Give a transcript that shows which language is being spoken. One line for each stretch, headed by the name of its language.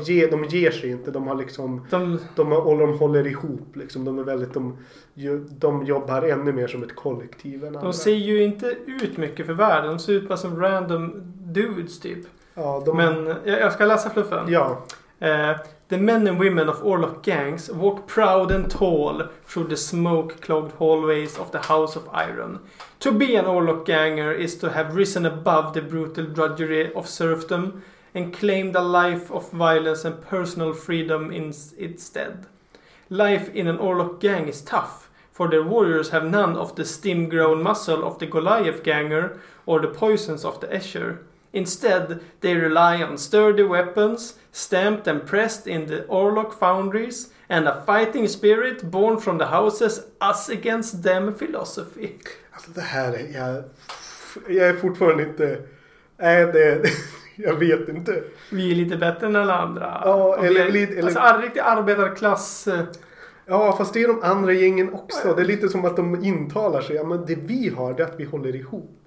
Swedish: de ger sig inte, de har liksom de håller ihop liksom, de är väldigt, de jobbar ännu mer som ett kollektiv än andra. De ser ju inte ut mycket för världen, de ser ut bara som
English: random dudes
Swedish: typ. Ja, jag ska läsa fluffen. Ja.
English: The men and women of Orlok gangs walk proud and tall through the smoke-clogged hallways of the House of Iron. To be an Orlok ganger is to have risen above the brutal drudgery of serfdom and claimed a life of violence and personal freedom in its stead. Life in an Orlok gang is tough, for their warriors have none of the steam-grown muscle of the Goliath ganger or the poisons of the Escher. Instead, they rely on sturdy weapons, stamped and pressed in the Orlok foundries, and a fighting spirit born from the house's us against them philosophy.
Swedish: Alltså det här är, jag är fortfarande inte, jag vet inte. Vi är lite bättre än alla andra. Ja, riktig arbetarklass. Ja, fast det är de andra gängen också. Ja. Det är lite som att de intalar sig, ja, men det vi har är att vi håller ihop.